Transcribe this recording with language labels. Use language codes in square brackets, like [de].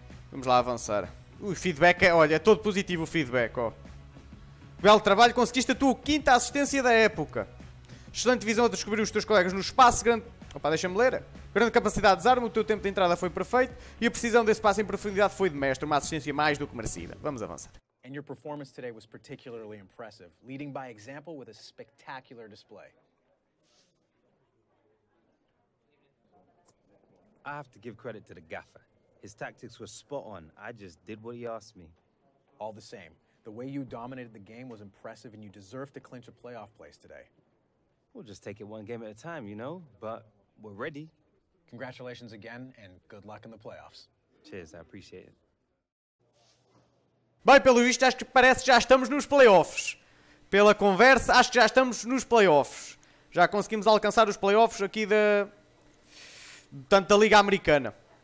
[pt] Vamos lá avançar. O feedback é, olha, é todo positivo o feedback. Ó. Belo trabalho, conseguiste a tua 5ª assistência da época. Excelente visão a descobrir os teus colegas no espaço grande. Opa, deixa-me ler. Grande capacidade de desarme, o teu tempo de entrada foi perfeito e a precisão desse passo em profundidade foi de mestre, uma assistência mais do que merecida. Vamos avançar. [en] And your performance today was particularly impressive, leading by example with a spectacular display. I have to give credit to the gaffer. His tactics were spot on. I just did what he asked me. All the same, the way you dominated the game was impressive and you deserve to clinch a playoff place today. We'll just take it one game at a time, you know, but we're ready. Congratulations again and good luck in the playoffs. Cheers, I appreciate it. [pt] Bem, pelo visto, acho que parece que já estamos nos playoffs. Pela conversa, acho que já estamos nos playoffs. Já conseguimos alcançar os playoffs aqui da. Tanto da Liga Americana.